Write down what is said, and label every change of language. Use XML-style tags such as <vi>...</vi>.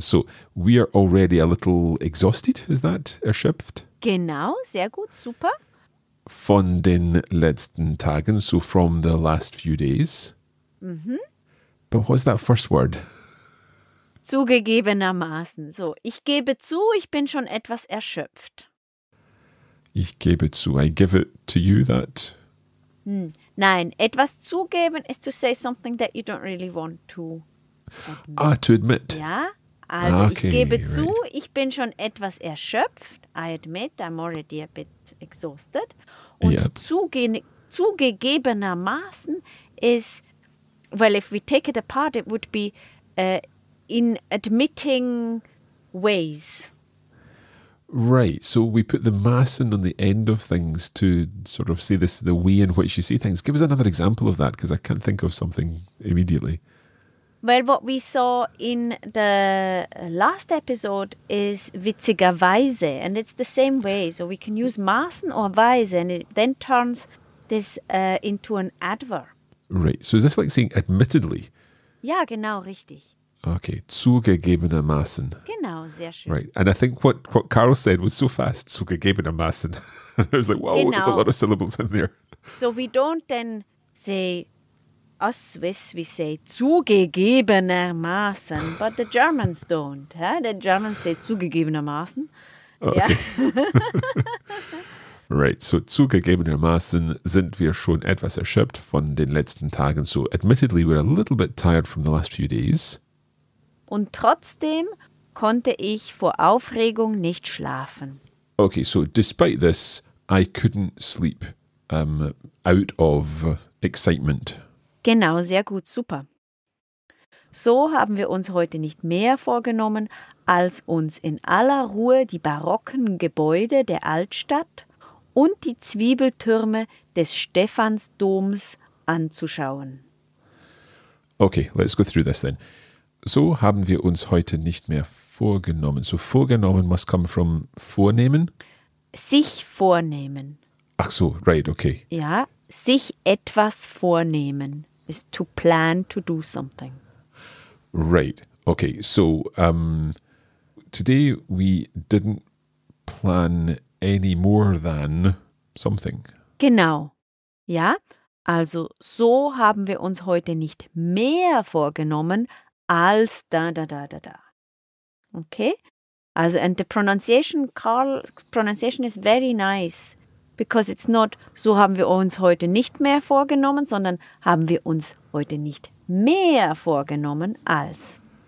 <en>So, we are already a little exhausted, is that erschöpft?</en> <de>Genau, sehr gut, super. Von den letzten Tagen,</de> <en>so from the last few days. Mm-hmm. But what's that first word?</en> <de>Zugegebenermaßen. So, ich gebe zu, ich bin schon etwas erschöpft. Ich gebe zu.</de> <en>I give it to you that.</en> <de>Nein, etwas zugeben</de> <en>is to say something that you don't really want to admit. Ah, to admit.</en> <de>Ja, also okay, ich gebe zu, right. Ich bin schon etwas erschöpft.</de> <en>I admit, I'm already a bit exhausted.</en> <de>Und zugegebenermaßen</de> <en>is, well, if we take it apart, it would be in admitting ways. Right, so we put the maßen on the end of things to sort of say this, the way in which you see things. Give us another example of that, because I can't think of something immediately. Well, what we saw in the last episode is witzigerweise, and it's the same way. So we can use maßen or weise, and it then turns this into an adverb. Right, so is this like saying admittedly?</en> <de>Ja, genau, richtig. Okay, zugegebenermaßen. Genau, sehr schön.</de> <en>Right, and I think what Carl said was so fast, zugegebenermaßen. I was like, wow, genau. There's a lot of syllables in there. So we don't then say, us Swiss, we say zugegebenermaßen, but the Germans don't. Huh? The Germans say zugegebenermaßen. Oh, okay.</en> <de>Right, so zugegebenermaßen sind wir schon etwas erschöpft von den letzten Tagen.</de> <en>So admittedly, we're a little bit tired from the last few days.</en> <de>Und trotzdem konnte ich vor Aufregung nicht schlafen.</de> <en>Okay, so despite this, I couldn't sleep out of excitement.</en> <de>Genau, sehr gut, super. So haben wir uns heute nicht mehr vorgenommen, als uns in aller Ruhe die barocken Gebäude der Altstadt und die Zwiebeltürme des Stephansdoms anzuschauen.</de> <en>Okay, let's go through this then.</en> <de>So haben wir uns heute nicht mehr vorgenommen. So vorgenommen</de> <en>must come from</en> <de>vornehmen. Sich vornehmen. Ach so,</de> <en>right, okay.</en> <de>Ja, sich etwas vornehmen</de> <en>is to plan to do something. Right, okay. So today we didn't plan any more than something.</en> <de>Genau, ja. Also so haben wir uns heute nicht mehr vorgenommen, als da. Okay?</de> <en>Also, and the pronunciation, Carl, pronunciation is very nice, because it's not,</en> <de>so haben wir uns heute nicht mehr vorgenommen, sondern haben wir uns heute nicht mehr vorgenommen als.</de>